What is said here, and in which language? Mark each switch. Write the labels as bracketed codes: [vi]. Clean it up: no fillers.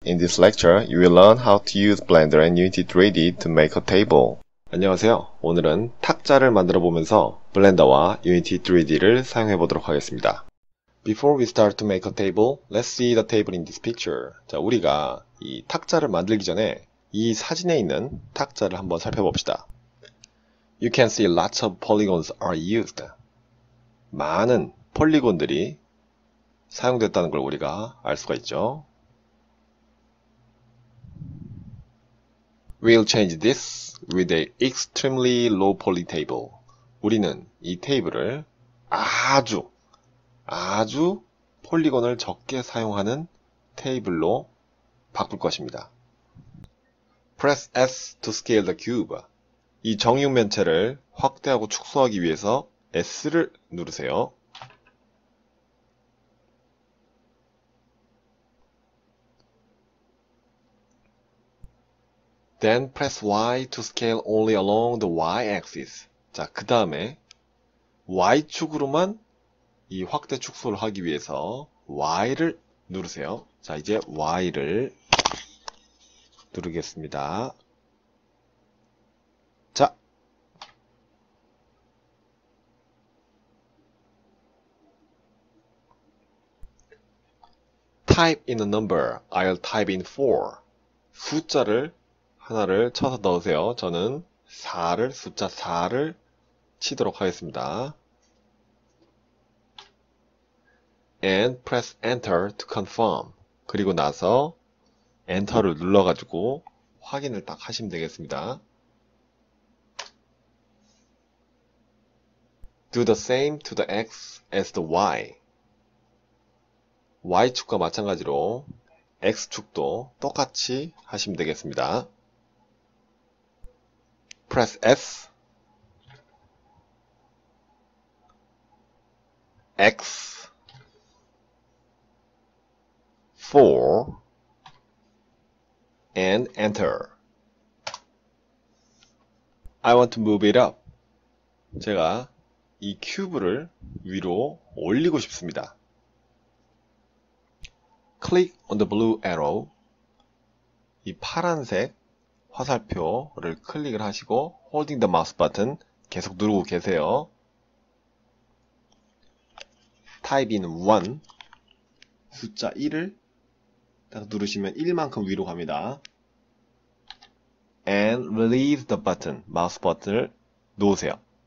[en] In this lecture, you will learn how to use Blender and Unity 3D to make a table. [ko] 안녕하세요. 오늘은 탁자를 만들어 보면서 블렌더와 Unity 3D를 사용해 보도록 하겠습니다. [en] Before we start to make a table, let's see the table in this picture. [ko] 자, 우리가 이 탁자를 만들기 전에 이 사진에 있는 탁자를 한번 살펴봅시다. [en] You can see lots of polygons are used. [ko] 많은 폴리곤들이 사용됐다는 걸 우리가 알 수가 있죠. [en] We'll change this with a extremely low poly table. [ko] 우리는 이 테이블을 아주 아주 폴리곤을 적게 사용하는 테이블로 바꿀 것입니다. [en] Press S to scale the cube. [ko] 이 정육면체를 확대하고 축소하기 위해서 S를 누르세요. [en] Then press Y to scale only along the Y-axis. [ko] 자, 그 다음에 Y축으로만 이 확대 축소를 하기 위해서 Y를 누르세요. 자, 이제 Y를 누르겠습니다. [en] 자, type in a number. I'll type in 4. [ko] 숫자를 하나를 쳐서 넣으세요. 저는 4를, 숫자 4를 치도록 하겠습니다. [en] And press enter to confirm. [ko] 그리고 나서 엔터를 눌러가지고 확인을 딱 하시면 되겠습니다. [en] Do the same to the X as the Y. Y축과 마찬가지로 X축도 똑같이 하시면 되겠습니다. Press S, X, 4, and Enter. I want to move it up. [ko] 제가 이 큐브를 위로 올리고 싶습니다. [en] Click on the blue arrow. [ko] 이 파란색 화살표를 클릭을 하시고 [en] holding the mouse button [ko] 계속 누르고 계세요. [en] Type in 1, [ko] 숫자 1을 딱 누르시면 1만큼 위로 갑니다. [en] And release the button, [ko] 마우스 버튼을 놓으세요.